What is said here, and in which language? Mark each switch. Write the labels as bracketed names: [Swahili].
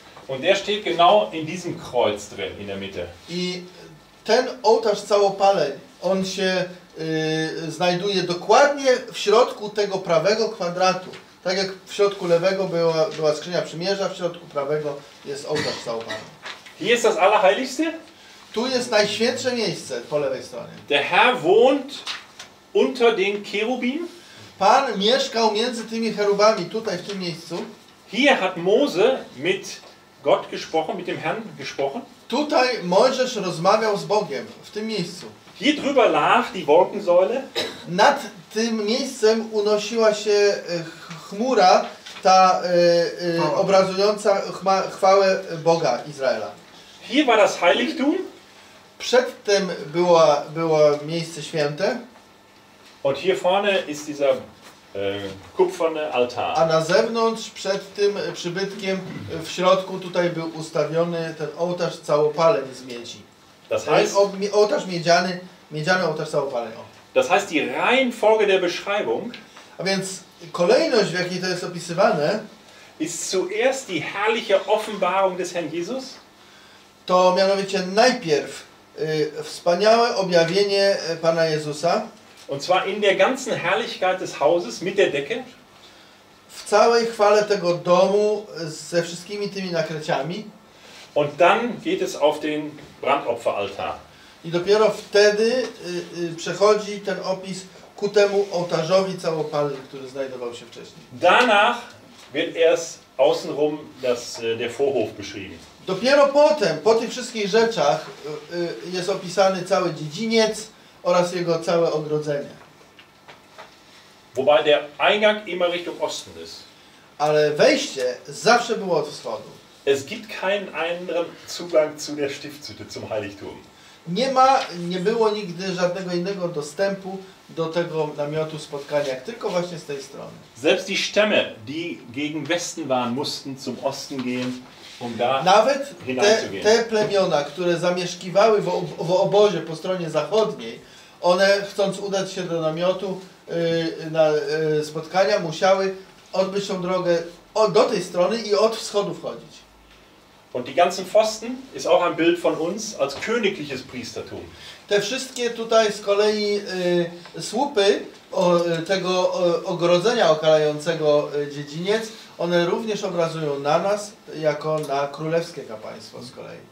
[German] Und der steht genau in diesem Kreuz drin in der Mitte. [Polish] I ten ołtarz całopaleń, on się znajduje dokładnie w środku tego prawego kwadratu. Tak jak w środku lewego była skrzynia przymierza, w środku prawego jest ołtarz całopaleń. [German] Hier ist das Allerheiligste? [Polish] Tu jest najświętsze miejsce po lewej stronie. [German] Der Herr wohnt unter den Cherubim? [Polish] Pan mieszkał między tymi cherubami tutaj w tym miejscu. [German] Hier hat Mose mit Gott gesprochen, mit dem Herrn gesprochen. [Polish] Tutaj Mojżesz rozmawiał z Bogiem w tym miejscu. [German] Hier drüber lag die Wolkensäule. [Polish] Nad tym miejscem unosiła się chmura, ta obrazująca chwałę Boga Izraela. [German] Hier war das Heiligtum. [Polish] Przedtem było miejsce święte. [German] Und hier vorne ist dieser kupferny altar. [Polish] A na zewnątrz, przed tym przybytkiem, w środku tutaj był ustawiony ten ołtarz całopaleń z miedzi. [German] Das heißt, [Polish] ołtarz miedziany, miedziany ołtarz całopaleń. [German] Das heißt, die Reihenfolge der Beschreibung. [Polish] A więc kolejność, w jakiej to jest opisywane, [German] ist zuerst die herrliche Offenbarung des Herrn Jesus. [Polish] To mianowicie najpierw wspaniałe objawienie Pana Jezusa. [German] Und zwar in der ganzen Herrlichkeit des Hauses mit der Decke. [Polish] W całej chwale tego domu ze wszystkimi tymi nakryciami. [German] Und dann geht es auf den Brandopferaltar. [Polish] I dopiero wtedy przechodzi ten opis ku temu ołtarzowi całopalnym, który znajdował się wcześniej. [German] Danach wird erst außenrum das, der Vorhof beschrieben. [Polish] Dopiero potem, po tych wszystkich rzeczach, jest opisany cały dziedziniec oraz jego całe ogrodzenie. [German] Wobei der Eingang immer Richtung Osten ist. [Polish] Ale wejście zawsze było od wschodu. [German] Es gibt keinen anderen Zugang zu der Stiftshütte, zum Heiligtum. [Polish] Nie ma, nie było nigdy żadnego innego dostępu do tego namiotu spotkania, jak tylko właśnie z tej strony. [German] Selbst die Stämme, die gegen Westen waren, mussten zum Osten gehen. [Polish] Nawet te plemiona, które zamieszkiwały w obozie po stronie zachodniej, one chcąc udać się do namiotu na spotkania, musiały odbyć tą drogę do tej strony i od wschodu wchodzić. [German] Und die ganzen Pfosten ist auch ein Bild von uns als königliches Priestertum. [Polish] Te wszystkie tutaj z kolei słupy tego ogrodzenia okalającego dziedziniec, one również obrazują na nas jako na królewskie kapłaństwo z kolei.